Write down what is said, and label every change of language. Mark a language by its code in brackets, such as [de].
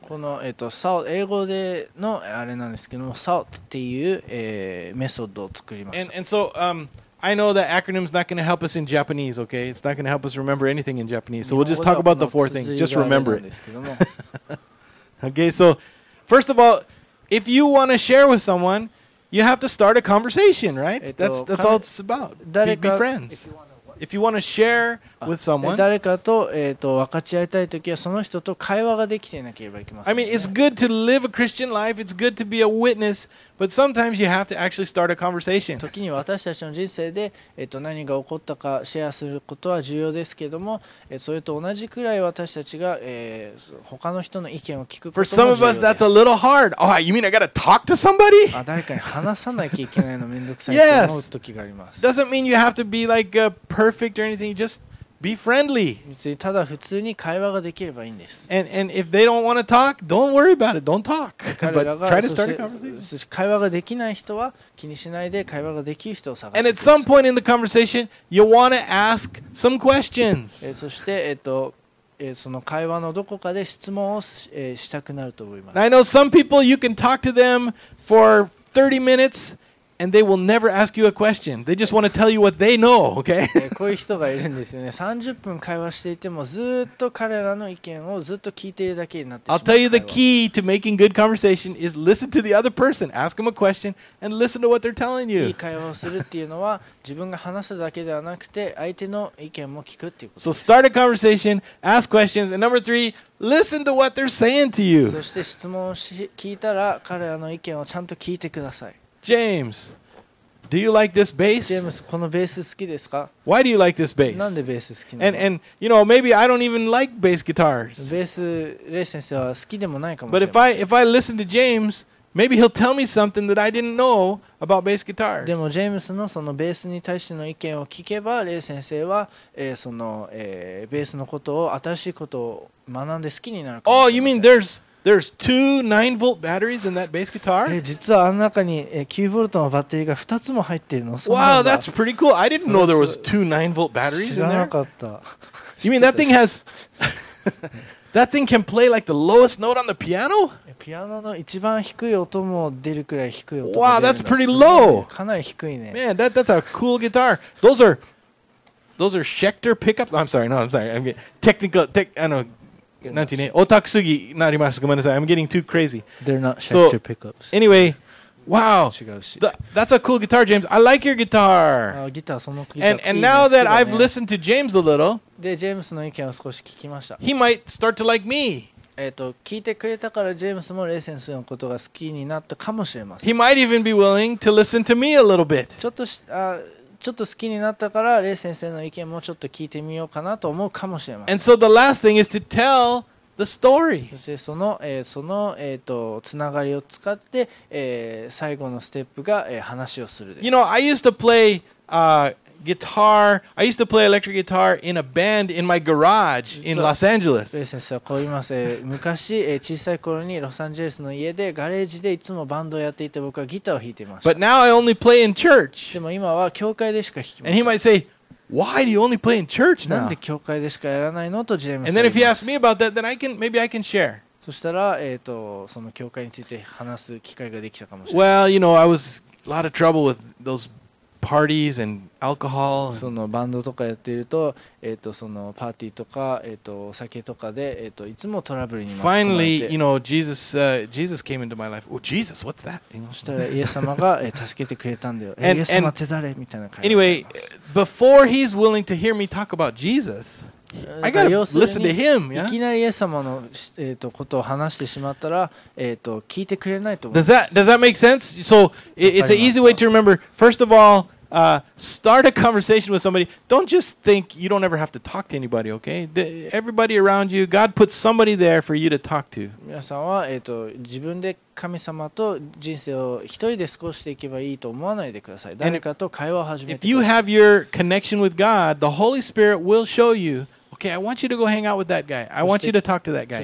[ja] この、salt、英語でのあれなんですけども、salt っていう、メソッドを作りました。 [en] And so, I know that acronym is not going to help us in Japanese, okay? It's not going to help us remember anything in Japanese. So we'll just talk about the four things. Just remember it. Okay, so first of all, if you want to share with someone, you have to start a conversation, right? That's all it's about. Be friends. If you want to share with someone, [ja] 誰かと、分かち合いたいときはその人と会話ができていなければいけません、ね。 [en] I mean, it's good to live a Christian life. It's good to be a witness. But sometimes you have to actually start a conversation. [ja] 時に私たちの人生で、何が起こったかシェアすることは重要ですけども、それと同じくらい私たちが、他の人の意見を聞くことも重要です。 [en] For some of us, that's a little hard. Oh, you mean I gotta talk to somebody? [ja] 誰かに話さなきゃいけないのめんどくさいと思う時があります。 [en] Yes. Doesn't mean you have to be like a perfect or anything. Just be friendly. [ja] ただ普通に会話ができればいいんです。 [en] And if they don't want to talk, don't worry about it. Don't talk. But try to start a conversation. [ja] 会話ができない人は気にしないで会話ができる人を探して。 [en] And at some point in the conversation, you want to ask some questions. [ja] そしてその会話のどこかで質問をしたくなると思います。 [en] I know some people you can talk to them for 30 minutes. And they will never ask you a question. They just want to tell you what they know, okay? [ja] こういう人がいるんですよね。30分会話していてもずっと彼らの意見をずっと聞いているだけになってしまう。 [en] I'll tell you the key to making good conversation is listen to the other person. Ask them a question and listen to what they're telling you. [ja] いい会話をするっていうのは自分が話すだけではなくて相手の意見も聞くっていうことです。 [en] So start a conversation, ask questions, and number three, listen to what they're saying to you. [ja] そして質問を聞いたら彼らの意見をちゃんと聞いてください。 [en] James, do you like this bass? [ja] James, このベース好きですか? [en] Why do you like this bass? [ja] なんでベース好きなの? [en] And you know, maybe I don't even like bass guitars. [ja] ベース、レイ先生は好きでもないかもしれません。 [en] But if I listen to James, maybe he'll tell me something that I didn't know about bass guitars. [ja] でも、ジェームスのそのベースに対しての意見を聞けば、レイ先生は、その、ベースのことを、新しいことを学んで好きになるかもしれません。 [en] Oh, you mean There's two 9 volt batteries in that bass guitar? [ja] 実はあの中に9ボルトのバッテリーが2つも入っているの。 [en] Wow, that's pretty cool. I didn't know there was two 9 volt batteries in there. [ja] 知らなかった。 [en] You mean that thing has that thing can play like the lowest note on the piano? [ja] ピアノの一番低い音も出るくらい低い音。 [en] Wow, that's pretty low. [ja] かなり低いね。 [en] Man, that's a cool guitar. Those are Schecter pickups. I'm sorry. I'm getting technical. I'm getting too crazy. They're not Schecter pickups. Anyway, wow. That's a cool guitar, James. I like your guitar. And now that I've listened to James a little, [ja] で、ジェームスの意見を少し聞きました。 [en] He might start to like me. [ja] 聞いてくれたからジェームスもレイ先生のことが好きになったかもしれません。 [en] He might even be willing to listen to me a little bit. [ja] ちょっと好きになったからレイ先生の意見もちょっと聞いてみようかなと思うかもしれません。 [en] And so the last thing is to tell the story. [ja] そのつながりを使って、最後のステップが、話をするです。 [en] You know, I used to play guitar. I used to play electric guitar in a band in my garage in Los Angeles. [ja] レイ先生はこう言います。昔、小さい頃にロサンゼルスの家でガレージでいつもバンドをやっていて僕はギターを弾いていました。 [en] But now I only play in church. [ja] でも今は教会でしか弾きません。 [en] And he might say, "Why do you only play in church now?" [ja] なんで教会でしかやらないのとジェームスは言います。 [en] And then if he asks me about that, then I can share. [ja] そしたら、その教会について話す機会ができたかもしれない。 [en] Well, you know, I was a lot of trouble with those parties and alcohol. [ja] そのバンドとかやっていると、そのパーティーとか、お酒とかで、いつもトラブルに巻き込まれて。 [en] Finally, you know, Jesus came into my life. Oh, Jesus, what's that? [ja] そしたらイエス様が助けてくれたんだよ。イエス様って誰みたいな感じ。 [en] Anyway, before he's willing to hear me talk about Jesus, I gotta listen to him. [ja] いきなりイエス様のことを話してしまったら、聞いてくれないと思います。 [en] Does that make sense? So it's an easy way to remember. First of all, start a conversation with somebody. Don't just think you don't ever have to talk to anybody, okay? Everybody around you, God put somebody there for you to talk to. [ja] 皆さんは、自分で神様と人生を一人で過ごしていけばいいと思わないでください。誰かと会話を始めてください。 [en] If you have your connection with God, the Holy Spirit will show you, okay, I want you to go hang out with that guy. I want you to talk to that guy.